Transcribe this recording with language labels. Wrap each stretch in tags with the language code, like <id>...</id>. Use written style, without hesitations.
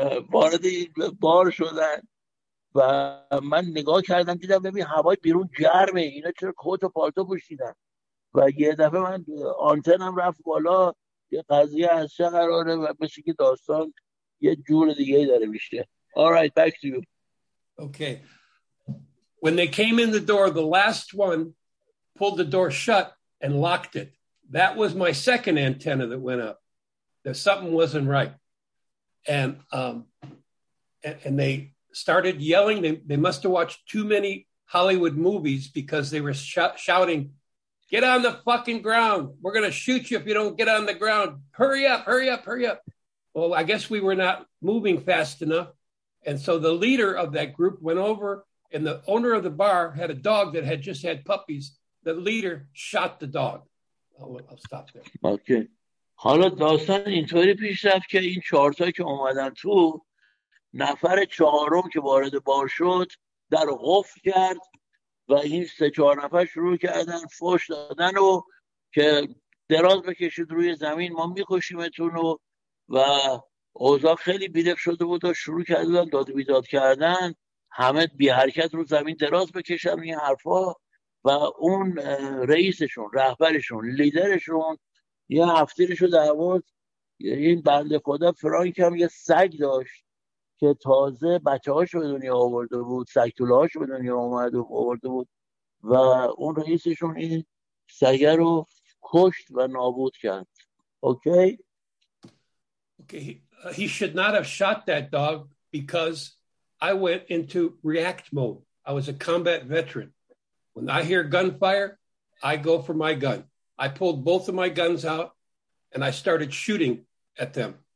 <fa>وارد بار شدن و من نگاه کردم دیدم ببین هوای بیرون گرمه، اینا چرا کت و پالتو پوشیدن؟ و یه دفعه من آنتنم رفت بالا، یه قضیه از چه قراره و مثل که داستان یه جور دیگه داره میشه.</fa> <en>All right, back to you. Okay. When they came in the door, the last one pulled the door shut and locked it. That was my second antenna that went up. That something wasn't right. And they started yelling. They must have watched too many Hollywood movies because they were shouting, "Get on the fucking ground. We're going to shoot you if you don't get on the ground. Hurry up, hurry up, hurry up." Well, I guess we were not moving fast enough. And so the leader of that group went over, and the owner of the bar had a dog that had just had puppies. The leader shot the dog. I'll stop there. Okay.</en> <fa>حالا داستان اینطوری پیش رفت که این چهارتا که اومدن تو، نفر چهارم که وارد بار شد در قفل کرد و این 3-4 نفر شروع کردن فوش دادن و که دراز بکشید روی زمین ما میکشیمتون، و اوضاع خیلی بیدف شده بود و شروع کردن داد بیداد کردن، همه بی حرکت رو زمین دراز بکشن این حرفا، و اون رئیسشون، رهبرشون، لیدرشون یه هفتیرشو درآورد. این بنده خدا فرانک هم یه سگ داشت که تازه بچه‌هاشو به دنیا آورده بود، سگ توله‌هاشو به دنیا اومد و آورده بود، و اون رئیسشون این سگ رو کشت و نابود کرد.</fa> <en>Okay. Okay. He should not have shot that dog because I went into react mode. I was a combat veteran. When I hear gunfire, I go for my gun. I pulled both of my guns out and I started shooting at them.</en>